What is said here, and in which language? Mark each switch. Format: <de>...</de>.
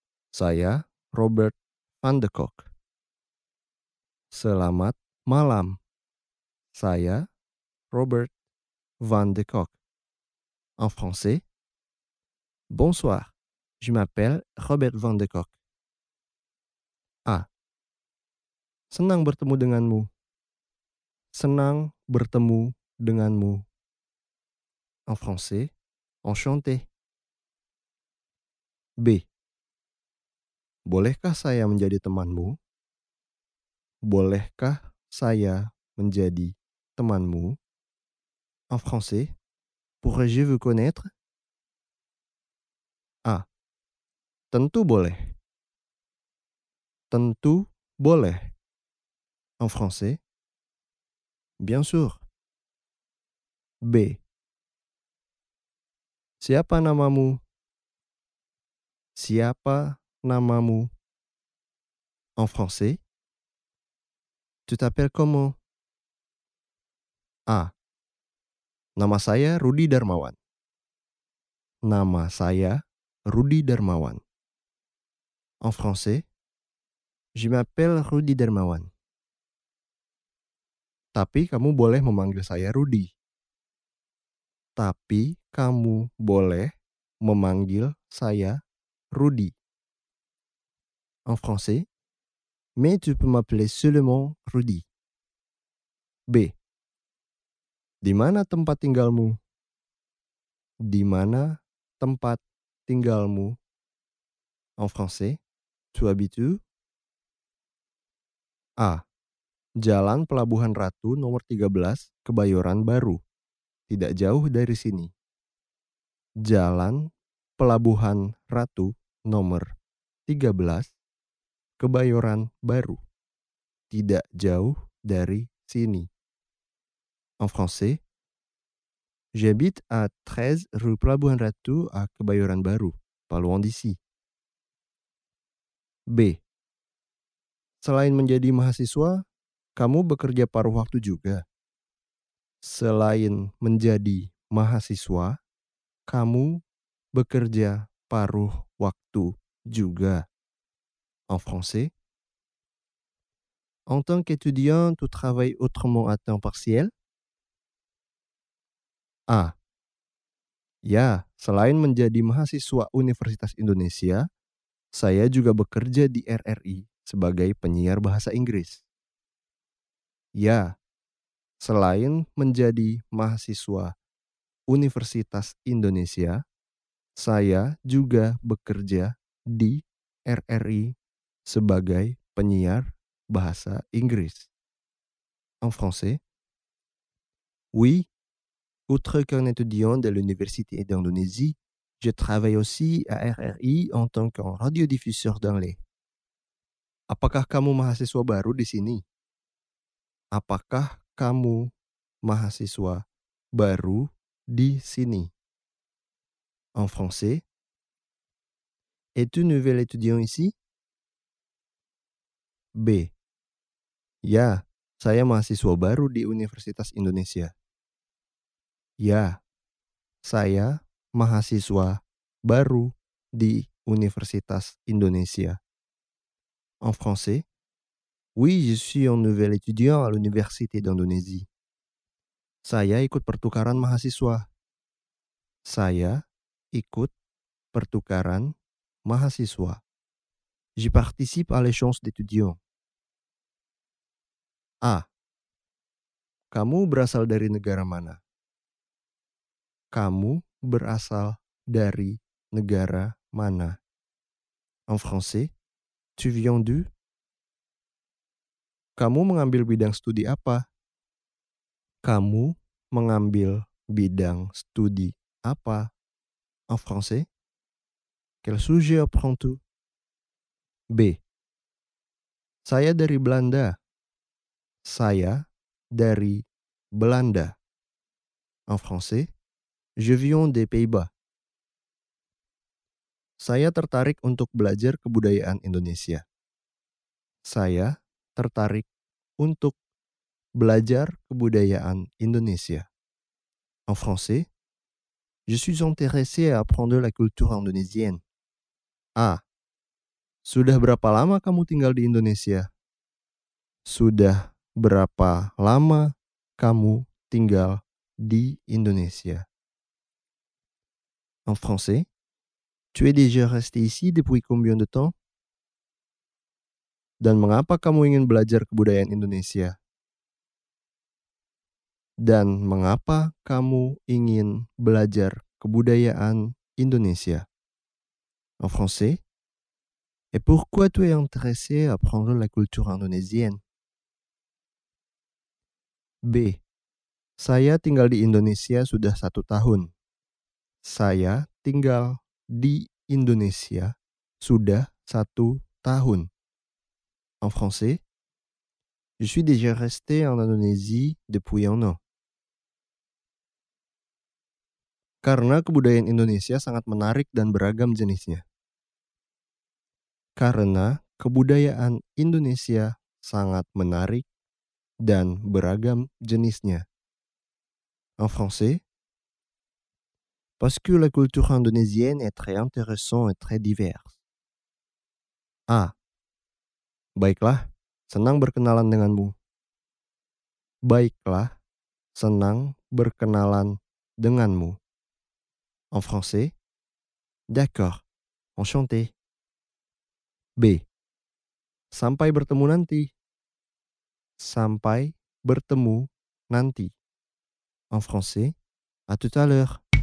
<id>Saya Robert Van de Kok. Selamat malam. Saya Robert Van de Kok.</id> <fr>En français, bonsoir. Je m'appelle Robert Van de Kok. A.</fr> <id>Senang bertemu denganmu. Senang bertemu denganmu.</id> <fr>En français, enchanté. B.</fr> <id>Bolehkah saya menjadi temanmu? Bolehkah saya menjadi temanmu?</id> <fr>En français, pourrais-je vous connaître?</fr> <id>A. Tentu boleh. Tentu boleh.</id> <fr>En français, bien sûr. B.</fr> <id>Siapa namamu? Siapa namamu?</id> <fr>En français, tu t'appelles comment? A.</fr> <id>Nama saya Rudy Darmawan. Nama saya Rudy Darmawan.</id> <fr>En français, je m'appelle Rudy Darmawan.</fr> <id>Tapi kamu boleh memanggil saya Rudy. Tapi kamu boleh memanggil saya Rudy.</id> <fr>En français, mais tu peux m'appeler seulement Rudy. B.</fr> <id>Di mana tempat tinggalmu? Di mana tempat tinggalmu?</id> <fr>En français, tu habites où?</fr> <id>A. Jalan Pelabuhan Ratu nomor 13, Kebayoran Baru. Tidak jauh dari sini. Jalan Pelabuhan Ratu nomor 13, Kebayoran Baru. Tidak jauh dari sini.</id> <fr>En français, j'habite à 13 rue Pelabuhan Ratu à Kebayoran Baru, pas loin d'ici. B.</fr> <id>Selain menjadi mahasiswa, kamu bekerja paruh waktu juga. Selain menjadi mahasiswa, kamu bekerja paruh waktu juga.</id> <fr>En français. En tant qu'étudiant, tu travailles autrement à temps partiel? A.</fr> <id>Ya, selain menjadi mahasiswa Universitas Indonesia, saya juga bekerja di RRI sebagai penyiar bahasa Inggris. Ya, selain menjadi mahasiswa Universitas Indonesia, saya juga bekerja di RRI sebagai penyiar bahasa Inggris.</id> <fr>En français. Oui, outre qu'un étudiant de l'Université d'Indonésie, je travaille aussi à RRI en tant qu'un radiodiffuseur d'anglais.</fr> <id>Apakah kamu mahasiswa baru di sini? Apakah kamu mahasiswa baru di sini?</id> <fr>En français. Es-tu nouvel étudiant ici? B.</fr> <id>Ya, saya mahasiswa baru di Universitas Indonesia. Ya, saya mahasiswa baru di Universitas Indonesia.</id> <fr>En français. Oui, je suis un nouvel étudiant à l'Université d'Indonésie.</fr> <id>Saya ikut pertukaran mahasiswa. Saya ikut pertukaran mahasiswa.</id> <fr>Je participe à l'échange d'étudiants. A.</fr> <id>Kamu berasal dari negara mana? Kamu berasal dari negara mana?</id> <fr>En français, tu viens d'où?</fr> <id>Kamu mengambil bidang studi apa? Kamu mengambil bidang studi apa?</id> <fr>En français, quel sujet apprends-tu? B.</fr> <id>Saya dari Belanda. Saya dari Belanda.</id> <fr>En français, je viens des Pays-Bas.</fr> <id>Saya tertarik untuk belajar kebudayaan Indonesia. Saya tertarik untuk belajar kebudayaan Indonesia.</id> <fr>En français, je suis intéressé à apprendre la culture indonésienne.</fr> <id>A. Sudah berapa lama kamu tinggal di Indonesia? Sudah berapa lama kamu tinggal di Indonesia?</id> <fr>En français, tu es déjà resté ici depuis combien de temps?</fr> <id>Dan mengapa kamu ingin belajar kebudayaan Indonesia? Dan mengapa kamu ingin belajar kebudayaan Indonesia?</id> <fr>En français, Et pourquoi tu es intéressé à apprendre la culture indonésienne? B.</fr> <id>Saya tinggal di Indonesia sudah satu tahun. Saya tinggal di Indonesia sudah satu tahun.</id> <fr>En français, je suis déjà resté en Indonésie depuis un an.</fr> <id>Karena kebudayaan Indonesia sangat menarik dan beragam jenisnya. Karena kebudayaan Indonesia sangat menarik dan beragam jenisnya.</id> <fr>En français, parce que la culture indonésienne est très intéressante et très diverse. A.</fr> <id>Baiklah, senang berkenalan denganmu. Baiklah, senang berkenalan denganmu.</id> <fr>En français, d'accord, enchanté. B.</fr> <id>Sampai bertemu nanti. Sampai bertemu nanti.</id> <fr>En français, à tout à l'heure.</fr>